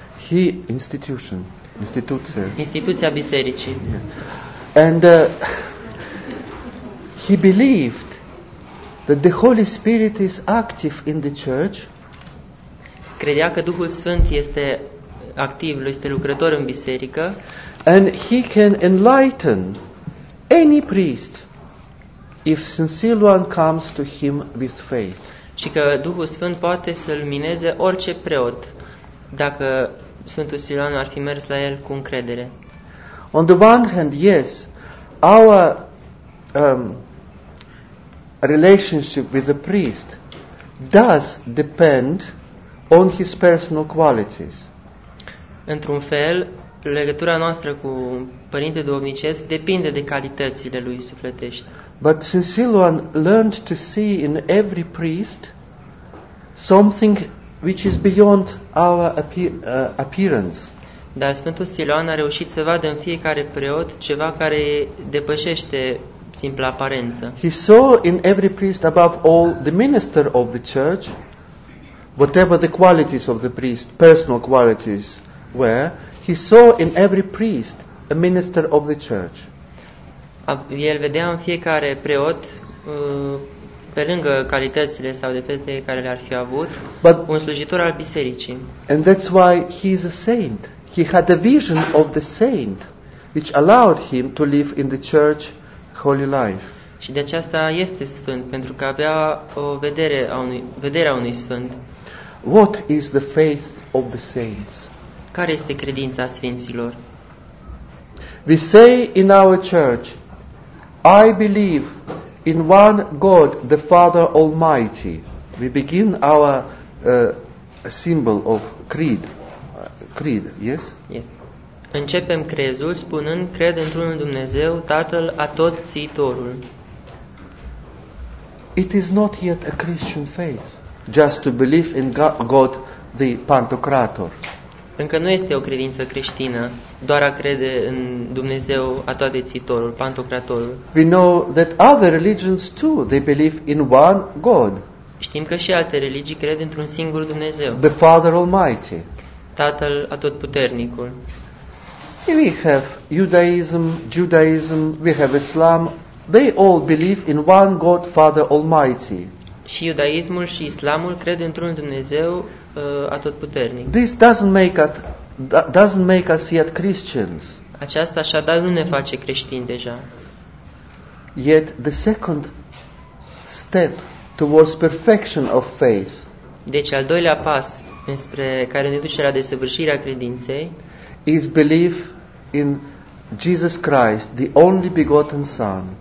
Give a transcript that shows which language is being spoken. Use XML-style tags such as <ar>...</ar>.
<en>He institution, instituție.</en> <ro>Instituția bisericii. Yeah.</ro> <en>And he believed that the Holy Spirit is active in the church.</en> <ro>Credea că Duhul Sfânt este activ, este lucrător în biserică.</ro> <en>And he can enlighten any priest if sincere one comes to him with faith.</en> <ro>Și că Duhul Sfânt poate să lumineze orice preot dacă Sfântul Siloan ar fi mers la el cu încredere.</ro> <en>On the one hand, yes, our relationship with the priest does depend on his personal qualities.</en> <ro>Într-un fel, legătura noastră cu părintele duhovnicesc depinde de calitățile lui sufletești.</ro> <en>But Sfânt Siloan learned to see in every priest something which is beyond our appearance.</en> <ro>Dar Sfântul Siloan a reușit să vadă în fiecare preot ceva care depășește simpla aparență.</ro> <en>He saw in every priest above all the minister of the church, whatever the qualities of the priest, personal qualities were, he saw in every priest a minister of the church.</en> <ro>El vedea în fiecare preot pe lângă calitățile sau defectele care le-ar fi avut, but, un slujitor al bisericii.</ro> <en>And that's why he is a saint. He had a vision of the saint which allowed him to live in the church holy life.</en> <ro>Și de aceasta este sfânt, pentru că avea o vedere a unui sfânt.</ro> <en>What is the faith of the saints?</en> <ro>Care este credința sfinților?</ro> <en>We say in our church, I believe in one God, the Father Almighty. We begin our symbol of creed. Creed, yes? Yes.</en> <ro>Începem crezul spunând, cred într-un Dumnezeu, Tatăl Atotțiitorul.</ro> <en>It is not yet a Christian faith, just to believe in God, the Pantocrator.</en> <ro>Încă nu este o credință creștină, doar a crede în Dumnezeu Atotțiitorul, Pantocratorul.</ro> <en>We know that other religions too, they believe in one God.</en> <ro>Știm că și alte religii cred într-un singur Dumnezeu.</ro> <en>The Father Almighty.</en> <ro>Tatăl Atotputernicul.</ro> <en>We have Judaism, we have Islam. They all believe in one God, Father Almighty.</en> <ro>Și iudaismul și islamul cred într-un Dumnezeu atotputernic.</ro> <en>This doesn't make us yet Christians.</en> <ro>Aceasta așadar nu ne face creștini deja.</ro> <en>Yet the second step towards perfection of faith.</en> <ro>Deci al doilea pas înspre care ne duce la desăvârșirea credinței</ro> <en>is belief in Jesus Christ, the only begotten Son.</en>